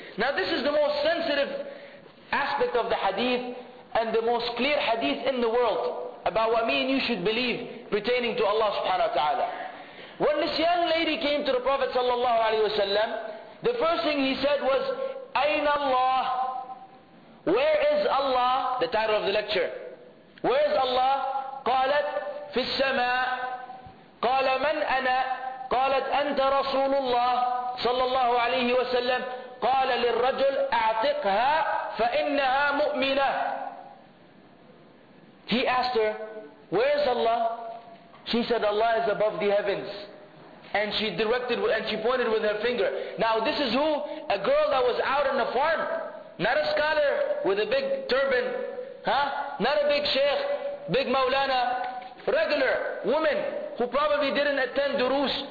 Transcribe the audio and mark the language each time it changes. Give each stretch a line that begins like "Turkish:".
English: Now this is the most sensitive aspect of the hadith and the most clear hadith in the world about what me and you should believe pertaining to Allah subhanahu wa ta'ala. When this young lady came to the Prophet sallallahu alayhi wasallam, the first thing he said was,
Arabic: "Ayna Allah?"
English: Where is Allah? The title of the lecture. Where is Allah?
Arabic: قالت في السماء. قال من أنا؟ قالت أنت رسول الله صلى الله عليه وسلم. قال للرجل أعتقها فإنها مؤمنة.
English: He asked her, "Where is Allah?" She said, "Allah is above the heavens." And she directed and she pointed with her finger. Now this is who? A girl that was out in the farm. Not a scholar with a big turban. Not a big sheikh, big maulana. Regular woman who probably didn't attend durus.